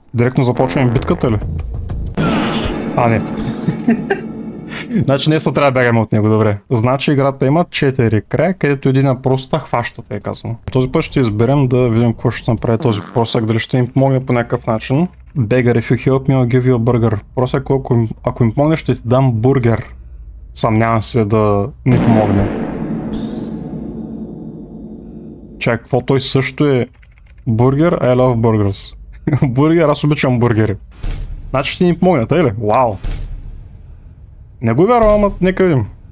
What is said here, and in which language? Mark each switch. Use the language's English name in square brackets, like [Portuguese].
[Bulgarian] Директно започваме битката ли? А, не. Значи не са трябва да бягаме от него, добре. Значи играта има 4 края, където един е просто да хващате, е казано. Този път ще изберем да видим какво ще направи този просак, дали ще им помогне по някакъв начин. [English] Beggar, if you help me, I'll give you a burger. [Bulgarian] Просак, ако им помогне, ще ти дам бургер. Съмнявам се да ни помогне. Чак, какво той също е? Бургер, [English] I love burgers. [Bulgarian] Бургер, аз обичам бургери. Значи ще ни помогне, тъй ли? Вау! Не го вярвам, ама нека видим.